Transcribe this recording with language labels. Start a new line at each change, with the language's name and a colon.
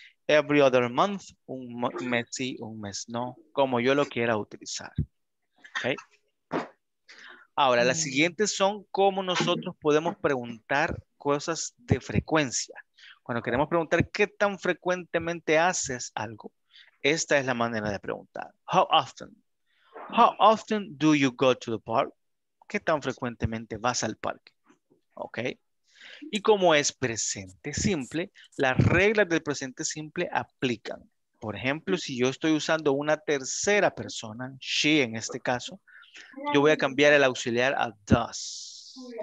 English: Every other month,
Spanish: un mes sí, un mes no, como yo lo quiera utilizar. Okay. Ahora, las siguientes son cómo nosotros podemos preguntar cosas de frecuencia. Cuando queremos preguntar qué tan frecuentemente haces algo, esta es la manera de preguntar.
English: How often? How often do you go to the park?
Spanish: ¿Qué tan frecuentemente vas al parque? Ok. Y como es presente simple, las reglas del presente simple aplican. Por ejemplo, si yo estoy usando una tercera persona, she en este caso, yo voy a cambiar el auxiliar a does.